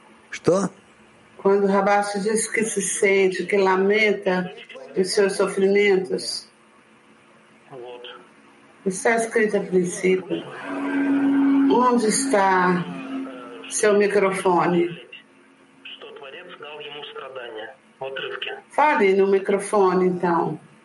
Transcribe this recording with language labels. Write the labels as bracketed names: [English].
[Russian] Что? [Portuguese] Quando Rabash diz que se sente, que lamenta os seus sofrimentos. Está escrito a princípio. Onde está seu microfone? [Russian] Что Творец дал ему страдание. Отрывки. [Portuguese] Fale no microfone, então.